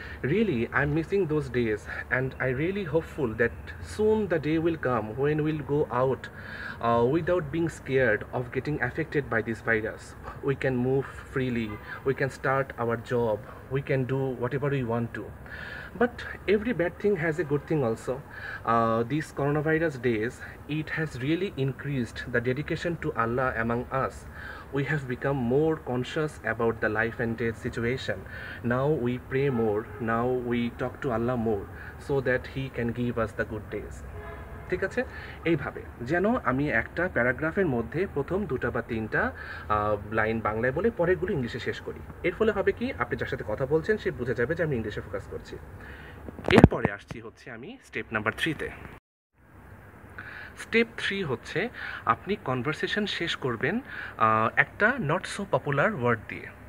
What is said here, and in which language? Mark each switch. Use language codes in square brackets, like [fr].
[en] Really I am missing those days and I really hopeful that soon the day will come when will go out without being scared of getting affected by this virus. We can move freely, we can start our job, we can do whatever we want to. But every bad thing has a good thing also. These coronavirus days, it has really increased the dedication to Allah among us. We have become more conscious about the life and death situation. Now we pray more, now we talk to Allah more, so that He can give us the good days. [bn] ঠিক আছে, এইভাবে যেন আমি একটা প্যারাগ্রাফের মধ্যে প্রথম দুটা বা তিনটা লাইন বাংলায় বলে পরেরগুলো ইংলিশে শেষ করি। এর ফলে হবে কি, আপনি যার সাথে কথা বলছেন সে বুঝে যাবে যে আমি ইংলিশে ফোকাস করছি। এরপরে আসছি হচ্ছে আমি স্টেপ নাম্বার থ্রিতে। স্টেপ থ্রি হচ্ছে আপনি কনভারসেশন শেষ করবেন একটা নট সো পপুলার ওয়ার্ড দিয়ে।